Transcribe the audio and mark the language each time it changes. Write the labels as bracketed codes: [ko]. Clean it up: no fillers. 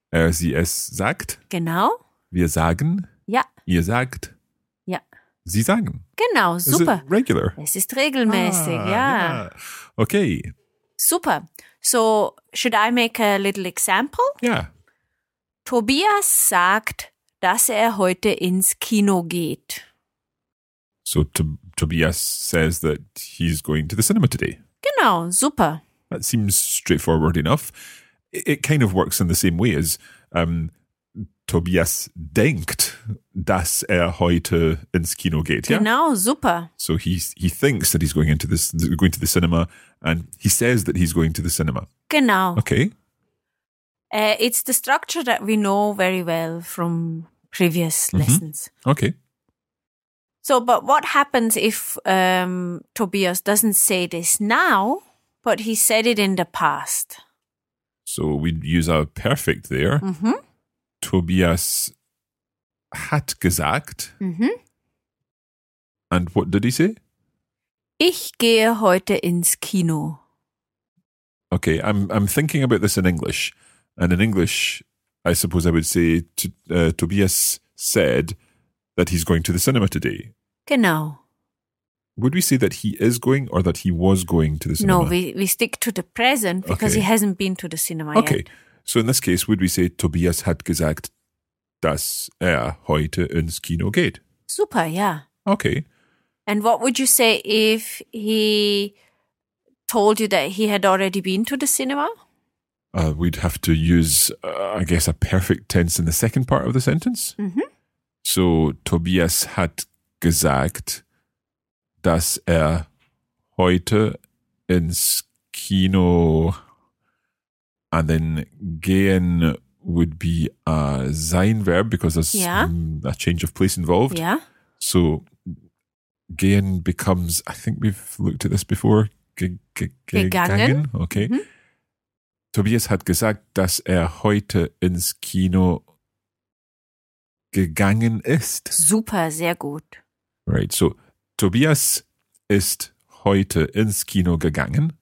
[de] Sie es sagt. Genau. Wir sagen. Ja. Ihr sagt. Ja. Sie sagen. Genau, super. [en] Is it regular? [de] Es ist regelmäßig, ja. [en] Yeah. Okay. [de] Super. [en] So, should I make a little example? [de] Ja. Tobias sagt, dass er heute ins Kino geht. [en] So Tobias says that he's going to the cinema today. [de] Genau, super. [en] That seems straightforward enough. It kind of works in the same way as [de] Tobias denkt, dass er heute ins Kino geht. [en] Yeah? [de] Genau, super. [en] So he thinks that he's going to the cinema and he says that he's going to the cinema. [de] Genau. [en] Okay. It's the structure that we know very well from previous lessons. Okay. So, but what happens if Tobias doesn't say this now, but he said it in the past? So we'd use a perfect there. Mm-hmm. [de] Tobias hat gesagt. [en] Mhm. And what did he say? [de] Ich gehe heute ins Kino. [en] Okay, I'm thinking about this in English. And in English, I suppose I would say Tobias said that he's going to the cinema today. [de] Genau. [en] Would we say that he is going or that he was going to the cinema? No, we stick to the present because okay. He hasn't been to the cinema okay. yet. Okay, so in this case, would we say [de] Tobias hat gesagt, dass heute ins Kino geht? [en] Super, yeah. Okay. And what would you say if he told you that he had already been to the cinema? We'd have to use, I guess, a perfect tense in the second part of the sentence. Mm-hmm. So, [de] Tobias hat gesagt, dass heute ins Kino, [en] and then gehen would be a sein Verb, because there's a change of place involved. Yeah. So, gehen becomes, I think we've looked at this before, [de] gegangen. [en] Okay. Mm-hmm. [de] Tobias hat gesagt, dass heute ins Kino gegangen ist. Super, sehr gut. [en] Right, so [de] Tobias ist heute ins Kino gegangen.